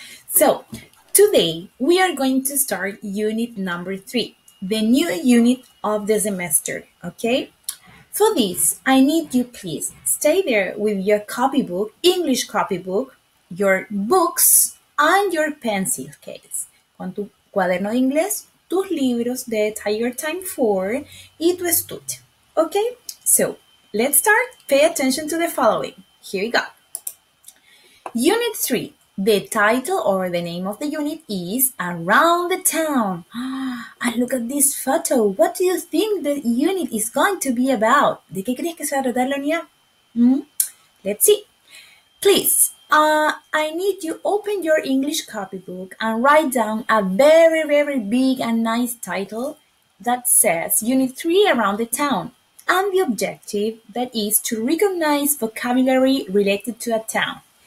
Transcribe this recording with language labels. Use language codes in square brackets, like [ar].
[en] So, today we are going to start unit number 3, the new unit of the semester, okay? For this, I need you please stay there with your copybook, English copybook, your books, and your pencil case. [es] Con tu cuaderno de inglés, tus libros de Tiger Time 4 y tu estuche, okay? [en] So, let's start. Pay attention to the following. Here we go. Unit 3. The title or the name of the unit is Around the Town. And look at this photo. What do you think the unit is going to be about? [es] ¿De qué crees que se va a tratar la unidad? [en] Let's see. Please, I need you open your English copybook and write down a very, very big and nice title that says Unit 3 Around the Town. And the objective that is to recognize vocabulary related to a town.